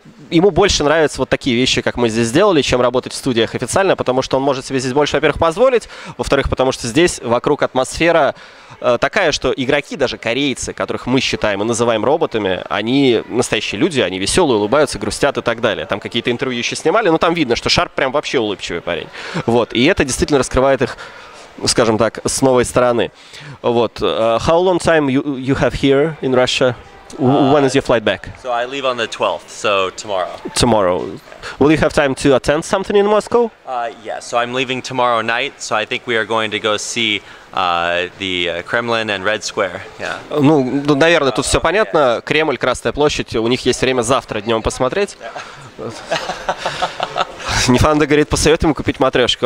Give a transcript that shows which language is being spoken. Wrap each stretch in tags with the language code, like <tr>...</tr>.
<ru>Ему больше нравятся вот такие вещи, как мы здесь сделали, чем работать в студиях официально, потому что он может себе здесь больше, во-первых, позволить, во-вторых, потому что здесь вокруг атмосфера такая, что игроки, даже корейцы, которых мы считаем и называем роботами, они настоящие люди, они веселые, улыбаются, грустят и так далее. Там какие-то интервью еще снимали, но там видно, что Шарп прям вообще улыбчивый парень. Вот. И это действительно раскрывает их, скажем так, с новой стороны. Вот.</ru> <en>How long time you have here in Russia? When is your flight back? So I leave on the 12th, so tomorrow. Tomorrow. Will you have time to attend something in Moscow? Yeah, so I'm leaving tomorrow night, so I think we are going to go see the Kremlin and Red Square.</en> <ru>Ну, наверное, тут все понятно. Кремль, Красная площадь, у них есть время завтра днем посмотреть.</ru> <en>Yeah.</en> <ru>Нефанда говорит, посоветуй ему купить матрешку.</ru>